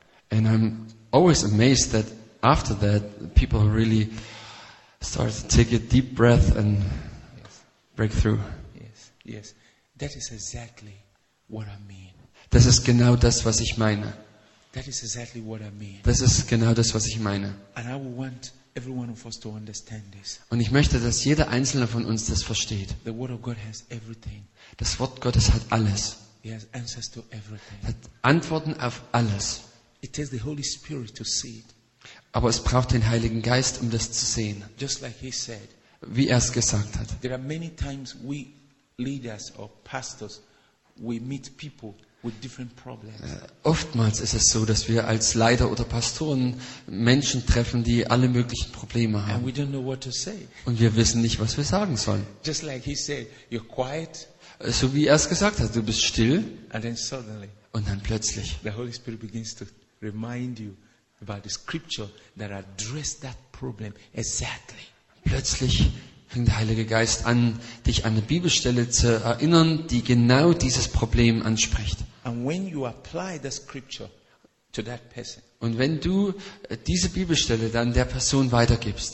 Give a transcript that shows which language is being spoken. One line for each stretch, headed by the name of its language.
English: And I'm always amazed that after that, people really start to take a deep breath and break through. Yes, yes. That is exactly what I mean.
German: Das ist genau das, was ich meine.
English: That is exactly what I mean.
German: Das ist genau das, was ich meine.
English: And I want everyone of us to understand this.
German: Und ich möchte, dass jeder einzelne von uns das versteht.
English: The Word of God has everything.
German: Das Wort Gottes hat alles.
English: He has answers to everything.
German: Hat Antworten auf alles.
English: It takes the Holy Spirit to see it.
German: Aber es braucht den Heiligen Geist, um das zu sehen.
English: Just like he said,
German: wie er es gesagt hat.
English: There are many times we leaders or pastors we meet people with different problems.
German: Oftmals ist es so, dass wir als Leiter oder Pastoren Menschen treffen, die alle möglichen Probleme haben.
English: And we don't know what to say.
German: Und wir wissen nicht, was wir sagen sollen.
English: Just like he said, you're quiet.
German: So wie er es gesagt hat, du bist still.
English: And then suddenly,
German: und dann plötzlich.
English: The Holy Spirit begins to remind you about the scripture that addressed that problem exactly.
German: Plötzlich fängt der Heilige Geist an, dich an eine Bibelstelle zu erinnern, die genau dieses Problem anspricht.
English: And when you apply the scripture to that person,
German: und wenn du diese Bibelstelle dann der Person weitergibst,